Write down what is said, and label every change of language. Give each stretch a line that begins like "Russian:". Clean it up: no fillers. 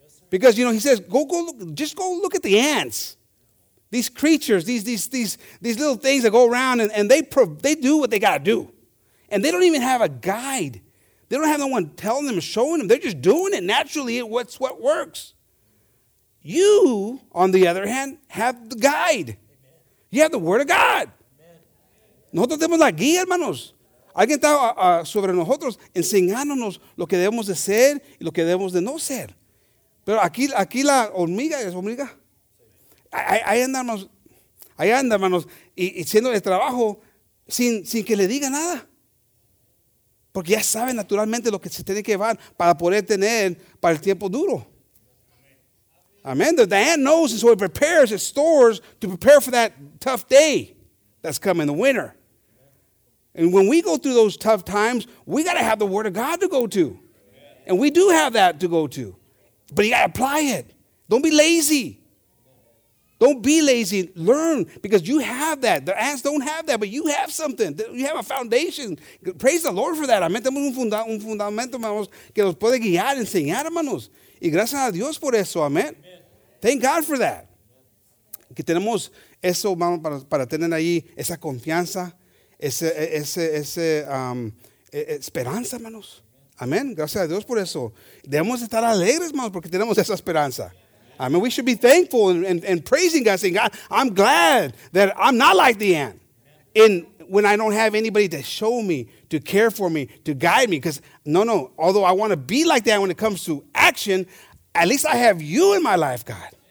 English: Because, you know, he says, go look at the ants. These creatures, these little things that go around and they do what they got to do. And they don't even have a guide. They don't have no one telling them, showing them. They're just doing it naturally. It's what works. You, on the other hand, have the guide. Amen. You have the word of God. Amen.
Spanish: Nosotros tenemos la guía, hermanos. Alguien está sobre nosotros enseñándonos lo que debemos de ser y lo que debemos de no ser. Pero aquí la hormiga es hormiga. Ahí andamos, y haciendo el trabajo sin que le diga nada. Porque ya saben naturalmente lo que se tiene que llevar para poder tener para el tiempo duro. Amen.
English: The ant knows, and so it prepares, it stores to prepare for that tough day that's coming, the winter. And when we go through those tough times, we got to have the word of God to go to. And we do have that to go to. But you got to apply it. Don't be lazy. Don't be lazy. Learn, because you have that. The ants don't have that, but you have something. You have a foundation. Praise the Lord for that. Amén.
Spanish: Tenemos un fundamento, hermanos, que nos puede guiar, enseñar, hermanos. Y gracias a Dios por eso. Amén.
English: Thank God for that.
Spanish: Que tenemos eso, hermanos, para tener ahí esa confianza, esperanza, hermanos. Amén. Gracias a Dios por eso. Debemos estar alegres, hermanos, porque tenemos esa esperanza.
English: I mean, we should be thankful and praising God, saying, God, I'm glad that I'm not like the ant when I don't have anybody to show me, to care for me, to guide me. Because, no, although I want to be like that when it comes to action, at least I have you in my life, God.